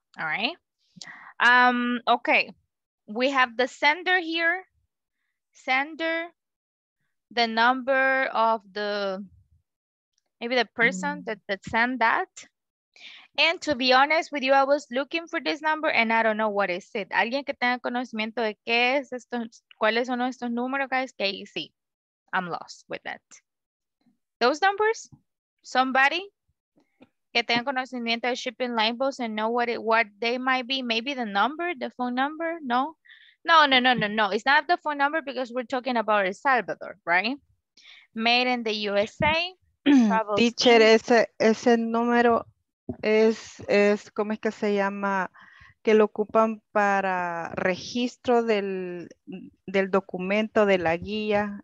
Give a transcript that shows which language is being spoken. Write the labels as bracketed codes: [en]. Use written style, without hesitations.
[en] All right. Okay. We have the sender here. Sender. The number of the, maybe the person that sent that. And to be honest with you, I was looking for this number and I don't know what is it. [es] Alguien que tenga conocimiento de qué es esto, cuáles son estos números, guys, que ahí sí. [en] I'm lost with that. Those numbers? Somebody? [es] Que tenga conocimiento de [en] shipping labels and know what they might be. Maybe the number, the phone number? No? No. It's not the phone number because we're talking about El Salvador, right? Made in the USA. [es] Teacher, ese número es, ¿cómo es que se llama? Que lo ocupan para registro del documento, de la guía.